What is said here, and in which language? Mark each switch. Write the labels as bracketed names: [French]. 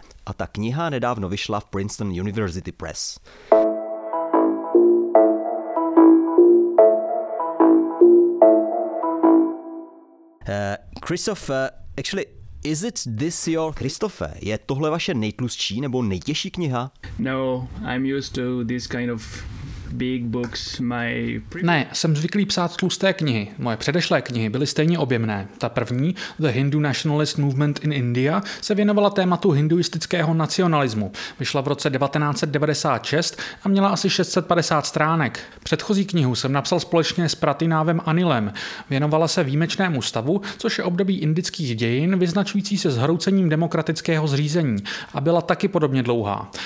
[Czech] A ta kniha nedávno vyšla v Princeton University Press. Christoph, [English] actually, is it this your... [Czech] Christophe, je tohle vaše nejtlustší nebo nejtěžší kniha? [English] No, I'm used to this kind of big books. [Czech] Ne, jsem zvyklý psát tlusté knihy. Moje předešlé knihy byly stejně objemné. Ta první, The Hindu Nationalist Movement in India, se věnovala tématu hinduistického nacionalismu. Vyšla v roce 1996 a měla asi 650 stránek. Předchozí knihu jsem napsal společně s Pratinávem Anilem. Věnovala se výjimečnému stavu, což je období indických dějin, vyznačující se zhroucením demokratického zřízení a byla taky podobně dlouhá.